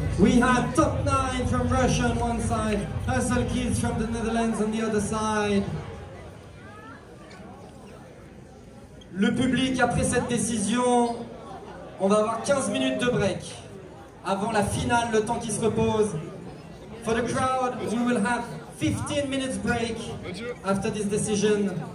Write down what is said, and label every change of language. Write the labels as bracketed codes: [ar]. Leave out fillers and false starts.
[en] We had top 9 from Russia on one side, Hustle Kids from the Netherlands on the other side. [fr] Le public, après cette décision, on va avoir 15 minutes de break avant la finale, le temps qui se repose. [en] For the crowd, we will have 15 minutes break after this decision.